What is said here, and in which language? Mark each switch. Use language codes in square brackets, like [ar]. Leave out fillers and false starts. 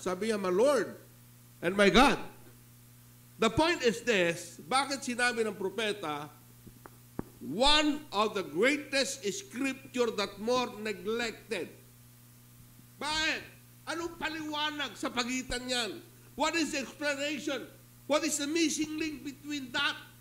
[tl] Sabi niya, [en] my Lord and my God. The point is this, [tl] bakit sinabi ng propeta, [en] one of the greatest scripture that more neglected. [tl] Bakit? Anong paliwanag sa pagitan niyan? [en] What is the explanation? What is the missing link between that?